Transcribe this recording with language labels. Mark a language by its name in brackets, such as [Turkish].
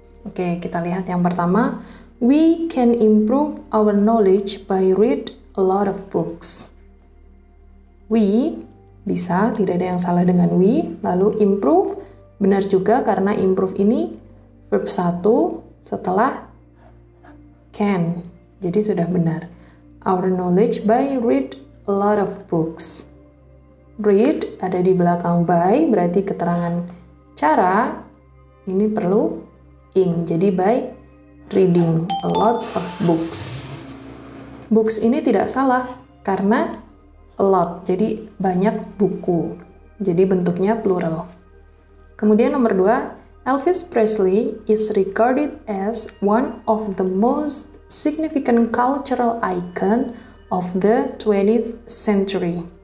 [Indonesian] Oke, kita lihat yang pertama. [English] We can improve our knowledge by read a lot of books. [Indonesian] We bisa, tidak ada yang salah dengan we. Lalu improve, benar juga karena improve ini verb 1 setelah can. Jadi sudah benar. [English] Our knowledge by read a lot of books. [Indonesian] Read ada di belakang by, berarti keterangan cara. Ini perlu ing, jadi [English] by reading a lot of books. [Indonesian] Books ini tidak salah karena a lot, jadi banyak buku, jadi bentuknya plural. Kemudian nomor 2, [English] Elvis Presley is regarded as one of the most significant cultural icon of the 20th century.